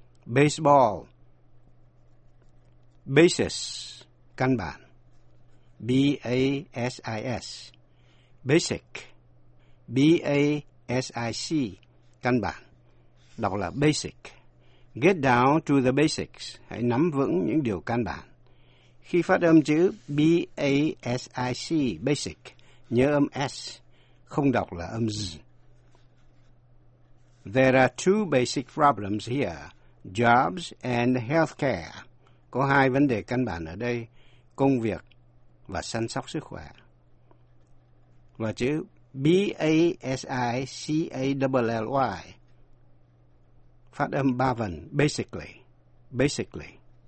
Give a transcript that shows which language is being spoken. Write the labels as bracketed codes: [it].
[en] baseball, basis, [vi] căn bản, [en] B-A-S-I-S, basic, B-A-S-I-C, [vi] căn bản, đọc là [en] basic. Get down to the basics, [vi] hãy nắm vững những điều căn bản. Khi phát âm chữ B-A-S-I-C, basic, nhớ âm S, không đọc là âm Z. [en] There are two basic problems here, jobs and healthcare. [vi] Có hai vấn đề căn bản ở đây, công việc và săn sóc sức khỏe. Và chữ B-A-S-I-C-A-L-L-Y, phát âm ba vần, basically, basically.